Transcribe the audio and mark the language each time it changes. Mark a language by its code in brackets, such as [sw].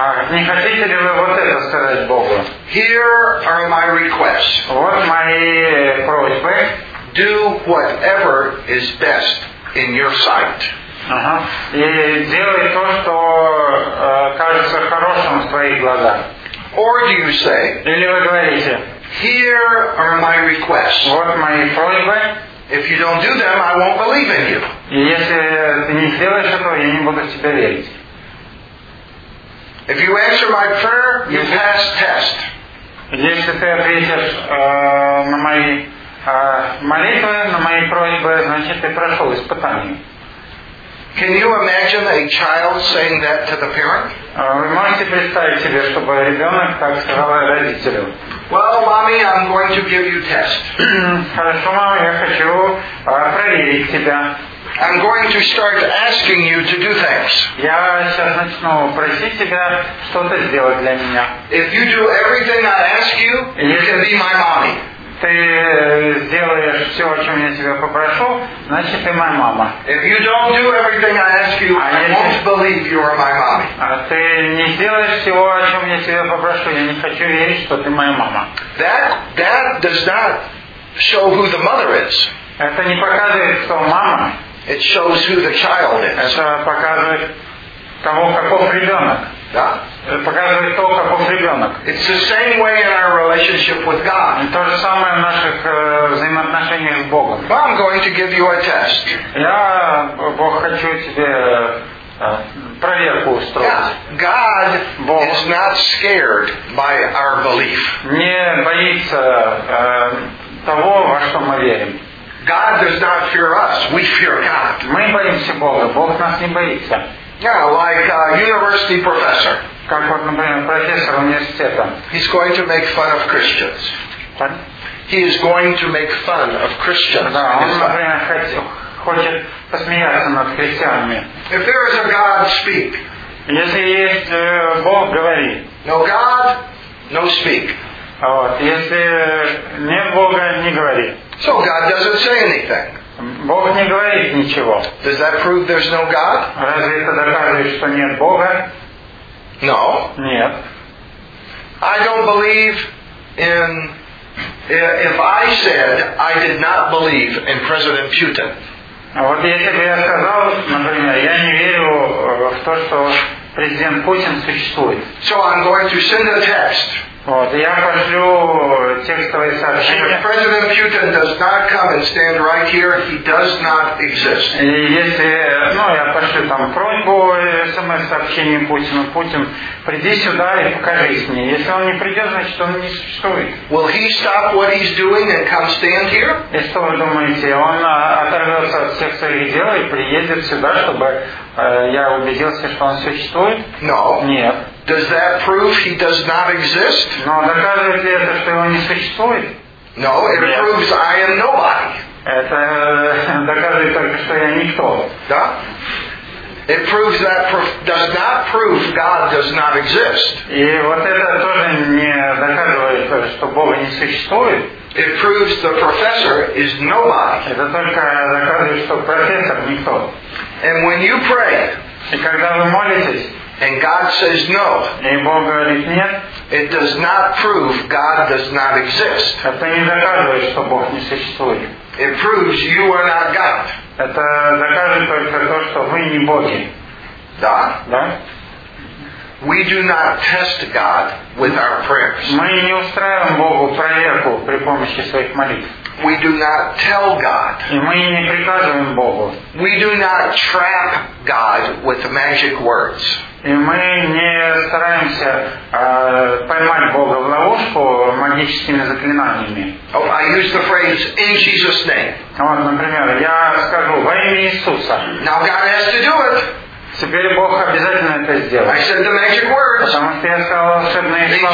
[ru] Не хотите ли вы вот это сказать Богу? [en] Here are my requests. [ru] Вот мои просьбы. [en] Do whatever is best in your sight. [ru] И делай то, что кажется хорошим в твоих глазах. [en] Or do you say? [ru] Или вы говорите? [en] Here are my requests. [ru] Вот мои просьбы. [en] If you don't do them, I won't believe in you. [ru] Если ты не сделаешь этого, я не буду в тебя верить. [en] If you answer my prayer, you pass test. [ru] Если ты ответишь на мои молитвы, на мои просьбы, значит ты прошел испытание. [en] Can you imagine a child saying that to the parent? [ru] Вы можете представить себе, чтобы ребенок так сказал родителю? [en] Well, mommy, I'm going to give you a test. [ru] Хорошо, мама, я хочу проверить тебя. [en] I'm going to start asking you to do things. [ru] Я сейчас начну просить тебя что-то сделать для меня. [en] If you do everything I ask you, you can be my mommy. [ru] Ты сделаешь все, о чем я тебя попрошу, значит, ты моя мама. [en] If you don't do everything I ask you, I won't believe you are my mommy. [ru] А ты не сделаешь всего, о чем я тебя попрошу, я не хочу верить, что ты моя мама. [en] That does not show who the mother is. [ru] Это не показывает, кто мама. [en] It shows who the child is. [ru] Это показывает того, каков ребенок. Да. Показывает то, каков ребенок. [en] It's the same way in our relationship with God. [ru] То же самое в наших взаимоотношениях с Богом. [en] But I'm going to give you a test. [ru] Я, Бог, хочу тебе проверку устроить. [en] Yeah. God Бог is not scared by our belief. [ru] Не боится того, во что мы верим. [en] God does not fear us. We fear God. [ru] Мы боимся Бога. Бог нас не боится. [en] Yeah, like a university professor. [ru] Как вот, например, профессор университета. [en] He's going to make fun of Christians. What? He is going to make fun of Christians. [ru] Да, он, например, хочет посмеяться над христианами. [en] If there is a God, speak. [ru] Если есть Бог, говори. [en] No God, no speak. [ru] Вот, если нет Бога, не говори. [en] So God doesn't say anything. [ru] Бог не говорит ничего. [en] Does that prove there's no God? [ru] Разве это доказывает, что нет Бога? [en] No. [ru] Нет. [en] I don't believe in... If I said I did not believe in President Putin. [ru] А вот если бы я сказал, например, я не верю в то, что президент Путин существует. [en] So I'm going to send a text. [ru] Вот, я пошлю текстовое сообщение. [en] If President Putin does not come and stand right here, he does not exist. [ru] И если, ну, я пошлю там просьбу смс-сообщением Путину. Путин, приди сюда и покажись мне. Если он не придет, значит, он не существует. [en] Will he stop what he's doing and come stand here? [ru] И что вы думаете, он оторвется от всех своих дел и приедет сюда, чтобы я убедился, что он существует? [en] No. [ru] Нет. [en] Does that prove he does not exist? [ru] Но доказывает ли это, что он не существует? [en] No, it yes. proves I am nobody. [ru] Это доказывает только, что я никто. Да? [en] It proves that does not prove God does not exist. [ru] И вот это тоже не доказывает, что Бога не существует. [en] It proves the professor is nobody. [ru] Это только доказывает, что профессор никто. [en] And when you pray, [ru] и когда вы молитесь, [en] and God says no, [ru] и Бог говорит нет, [en] it does not prove God does not exist. [ru] Это не доказывает, что Бог не существует. [en] It proves you are not God. [ru] Это доказывает только то, что вы не Боги. Да? Да? [en] We do not test God with our prayers. [ru] Мы не устраиваем Богу проверку при помощи своих молитв. [en] We do not tell God. [ru] И мы не приказываем Богу. [en] We do not trap God with magic words. [ru] И мы не стараемся поймать Бога в ловушку магическими заклинаниями. [en] Oh, I use the phrase in Jesus' name. [ru] Вот, например, я скажу во имя Иисуса. [en] Now God has to do it. [ru] Теперь Бог обязательно это сделает. [en] I said the magic words. [ru] Потому что я сказал волшебные слова.